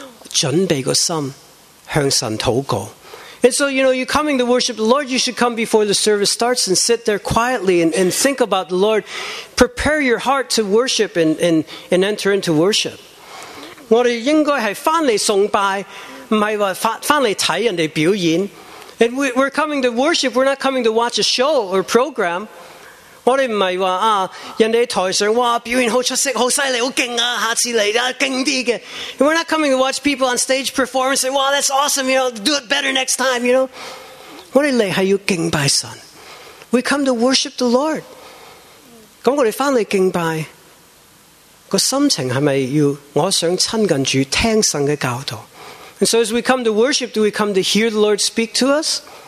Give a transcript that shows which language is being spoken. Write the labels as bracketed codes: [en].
[zh] 如果你是跪下屈膝谦卑在神的面前，应该是崇拜开始之前回来，坐在这里，准备个心，向神祷告。 [en] And so, you know, you coming to worship the Lord, you should come before the service starts and sit there quietly and think about the Lord. Prepare your heart to worship and enter into worship. [zh] 我们应该是回来崇拜，不是回来看人家表演。 [en] And we're coming to worship, we're not coming to watch a show or program. [zh] 我们不是说，人家在台上，哇，表演好出色，好厉害，好厉害，下次来，厉害一点的。 [en] And we're not coming to watch people on stage perform and say, wow, that's awesome, you know, do it better next time, you know. [zh] 我们来是要敬拜神。 [en] We come to worship the Lord. [zh] 那我们回来敬拜，心情是不是要我想亲近主，听神的教导。 [en] And so as we come to worship, do we come to hear the Lord speak to us?